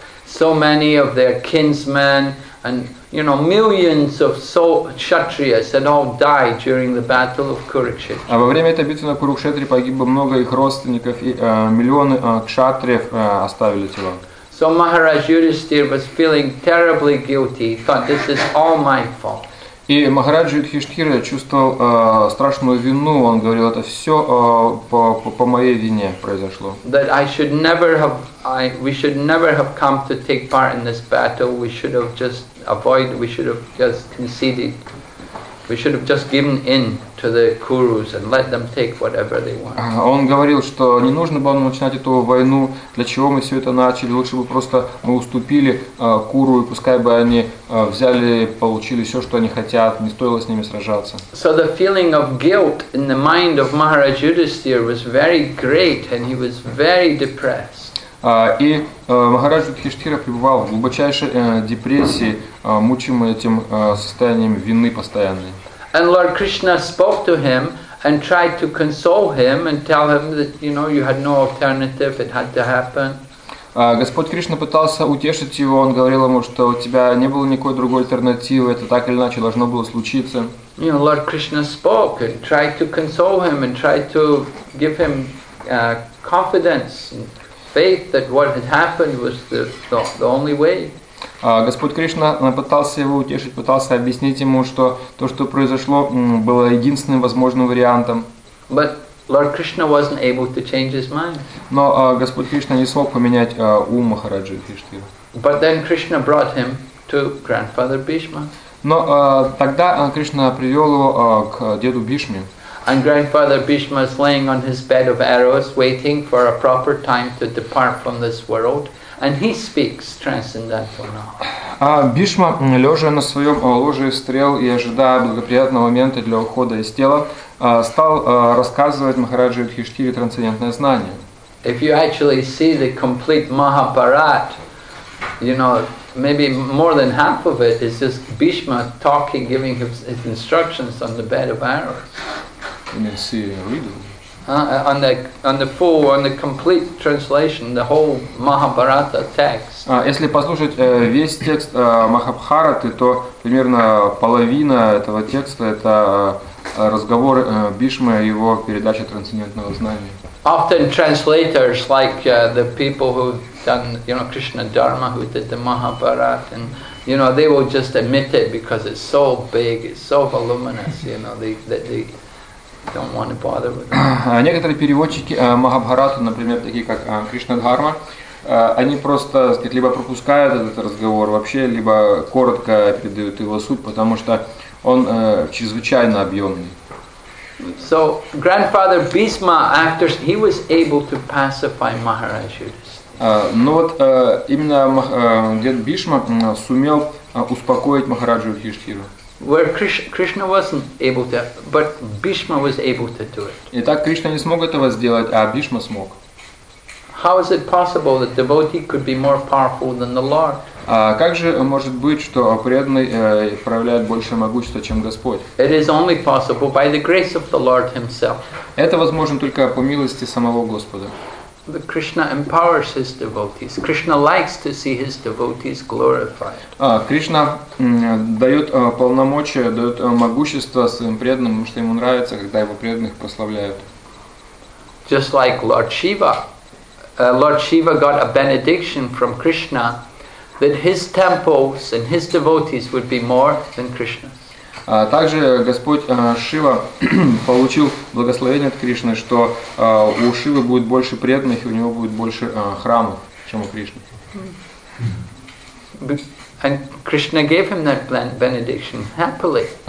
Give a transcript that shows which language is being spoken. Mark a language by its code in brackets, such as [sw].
[en] So many of their kinsmen and, you know, millions of kshatriyas and all died during the battle of Kurukshetra. [ru] А во время этой битвы на Курукшетре погибло много их родственников и миллионы кшатриев оставили тела. [en] So Maharaj Yudhisthira was feeling terribly guilty. He thought, this is all my fault. [ru] И Махараджа Юдхиштхира чувствовал страшную вину. Он говорил, это все по моей вине произошло. [en] That we should never have come to take part in this battle. We should have just conceded. We should have just given in to the Kurus and let them take whatever they want. [ru] Он говорил, что не нужно было начинать эту войну. Для чего мы все это начали? Лучше бы просто мы уступили Куру, и пускай бы они взяли, получили все, что они хотят. Не стоило с ними сражаться. [en] So the feeling of guilt in the mind of Maharaj Yudhisthira was very great, and he was very depressed. [ru] И Махарадж Юдхиштхира пребывал в глубочайшей депрессии, мучимый этим состоянием вины постоянной. [en] And Lord Krishna spoke to him and tried to console him and tell him that, you know, you had no alternative, it had to happen. [ru] Господь Кришна пытался утешить его, он говорил ему, что у тебя не было никакой другой альтернативы, это так или иначе должно было случиться. [en] You know, Lord Krishna spoke and tried to console him and tried to give him confidence. Faith that what had happened was the only way. [ru] Господь Кришна пытался его утешить, пытался объяснить ему, что то, что произошло, было единственным возможным вариантом. [en] But Lord Krishna wasn't able to change his mind. [ru] Но Господь Кришна не смог поменять ум Махараджи Юдхиштхиры. [en] But then Krishna brought him to grandfather Bhishma. [ru] Но тогда Кришна привел его к деду Бишме. [en] And grandfather Bhishma is laying on his bed of arrows, waiting for a proper time to depart from this world. And he speaks transcendental knowledge. [ru] Бишма, лежа на своем ложе из стрел и ожидая благоприятного момента для ухода из тела, стал рассказывать Махараджу Юдхиштхире трансцендентное знание. [en] If you actually see the complete Mahabharat, you know, maybe more than half of it is just Bhishma talking, giving his instructions on the bed of arrows. You can see on the complete translation, the whole Mahabharata text. [ru] Если послушать весь текст Махабхараты, то примерно половина этого текста это разговор Бишмы, его передача трансцендентного знания. [en] Often translators like the people who done, you know, Krishna Dharma, who did the Mahabharata, and you know, they will just admit it because it's so big, it's so voluminous, you know, they don't want to bother with them. [ru] Некоторые переводчики Махабхарату, например, такие как Кришна Дхарма, они просто либо пропускают этот разговор вообще, либо коротко передают его суть, потому что он чрезвычайно объемный. [en] So grandfather Bhishma, after he was able to pacify Maharaj Yudhisthira. [ru] Дед Бишма сумел успокоить Махараджу Юдхиштхиру. [en] Where Krishna wasn't able to, but Bhishma was able to do it. [ru] Итак, Кришна не смог этого сделать, а Бишма смог. [en] How is it possible that devotee could be more powerful than the Lord? [ru] Как же может быть, что преданный проявляет большее могущество, чем Господь? [en] It is only possible by the grace of the Lord Himself. [ru] Это возможно только по милости самого Господа. [en] But Krishna empowers his devotees. Krishna likes to see his devotees glorified. [ru] Кришна дает полномочия, дает могущество своим преданным, потому что ему нравится, когда его преданных прославляют. [en] Just like Lord Shiva. Lord Shiva got a benediction from Krishna that his temples and his devotees would be more than Krishna's. [ru] Также Господь Шива получил благословение от Кришны, что у Шивы будет больше преданных, и у него будет больше храмов, чем у Кришны. [en] And Krishna gave him that benediction happily.